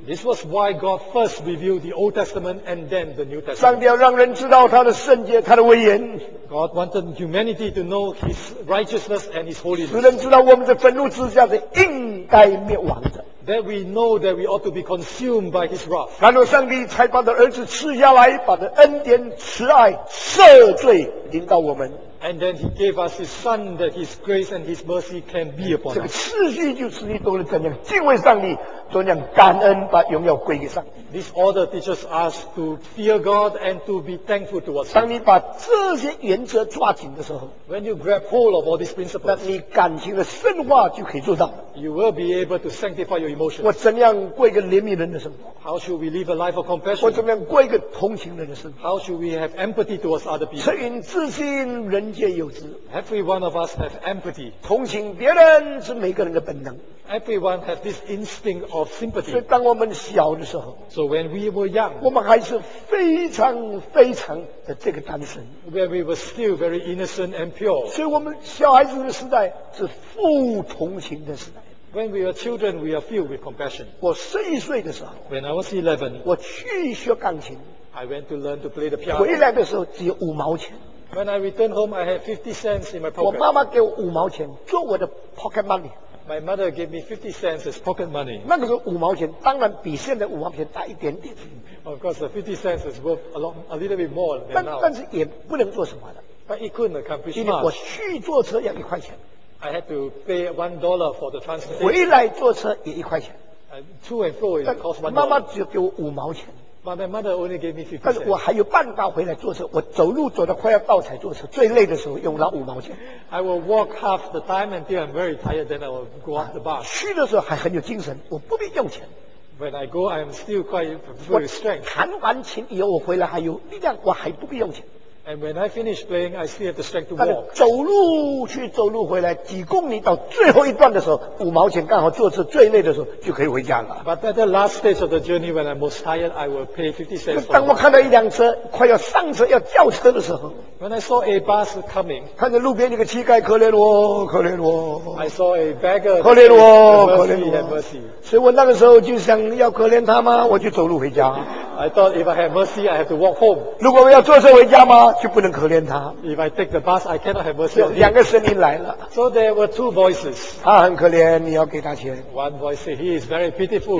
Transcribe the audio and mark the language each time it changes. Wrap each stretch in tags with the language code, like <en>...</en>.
<en>This was why God first revealed the Old Testament and then the New Testament.</en> <zh>上帝要让人知道他的圣洁，他的威严。</zh> <en>God wanted humanity to know his righteousness and his holiness.</en> <zh>使人知道我们的愤怒之下是应该灭亡的。</zh> <en>That we know that we ought to be consumed by his wrath.</en> <zh>然后上帝才把他儿子赐下来，把他恩典、慈爱、赦罪临到我们。</zh> <en>And then he gave us his son that his grace and his mercy can be upon us.</en> <zh>这个次序就是你懂得怎样敬畏上帝，怎样感恩，把荣耀归给上帝。</zh> <en>This order teaches us to fear God and to be thankful to us.</en> <zh>当你把这些原则抓紧的时候，</zh> <en>When you grab hold of all these principles,</en> <zh>那你感情的深化就可以做到。</zh> <en>You will be able to sanctify your emotions.</en> <zh>我怎样过一个怜悯人的生活？</zh> <en>How should we live a life of compassion?</en> <zh>我怎样过一个同情人的生活？</zh> <en>How should we have empathy towards other people?</en> <zh>恻隐自信，人皆有之。</zh> <en>Every one of us have empathy.</en> <zh>同情别人是每个人的本能。</zh> <en>Everyone has this instinct of sympathy.</en> <zh>所以当我们小的时候，</zh> <en>So when we were young,</en> <zh>我们还是非常非常的这个单纯。</zh> <en>When we were still very innocent and pure.</en> <zh>所以我们小孩子的时代是富同情的时代。</zh> <en>When we were children, we are filled with compassion.</en> <zh>我十一岁的时候，</zh> <en>When I was 11,</en> <zh>我去学钢琴。</zh> <en>I went to learn to play the piano.</en> <zh>回来的时候只有五毛钱。</zh> <en>When I returned home, I had 50 cents in my pocket.</en> <zh>我妈妈给我五毛钱做我的 pocket money。</zh> <en>My mother gave me 50 cents as pocket money.</en> <zh>那个时候五毛钱，当然比现在五毛钱大一点点。</zh> <en>Of course, the 50 cents is worth a little bit more than now.</en> <zh>但是也不能做什么的。</zh> <en>But it couldn't accomplish much.</en> <zh>因为我去坐车要一块钱。</zh> <en>I had to pay $1 for the transportation.</en> <zh>回来坐车也一块钱。</zh> <en>To and fro it costs $1.</en> <zh>妈妈只给我五毛钱。</zh> <en>But my mother only gave me 50 cents.</en> <zh>但是我还有办法回来坐车。我走路走得快要到才坐车。最累的时候用了五毛钱。</zh> <en>I will walk half the time until I'm very tired, then I will go off the bus.</en> <zh>去的时候还很有精神，我不必用钱。</zh> <en>When I go, I'm still quite full of strength.</en> <zh>弹完琴以后我回来还有力量，我还不必用钱。</zh> <en>And when I finish playing, I still have the strength to walk.</en> <zh>走路去走路回来几公里，到最后一段的时候，五毛钱刚好坐车最累的时候就可以回家了。</zh> <en>But at the last stage of the journey, when I'm most tired, I will pay 50 cents.</en> <zh>当我看到一辆车快要上车要叫车的时候，</zh> <en>When I saw a bus coming,</en> <zh>看着路边那个乞丐，可怜我，可怜我。</zh> <en>I saw a beggar,</en> <zh>可怜我，可怜我。</zh> <en>Have mercy.</en> <zh>所以我那个时候就想要可怜他吗？我就走路回家。</zh> <en>I thought if I have mercy, I have to walk home.</en> <zh>如果我要坐车回家吗？就不能可怜他。</zh> <en>If I take the bus, I cannot have mercy.</en> <zh>两个声音来了。</zh> <en>So there were two voices.</en> <zh>他很可怜，你要给他钱。</zh> <en>One voice said, he is very pitiful.</en>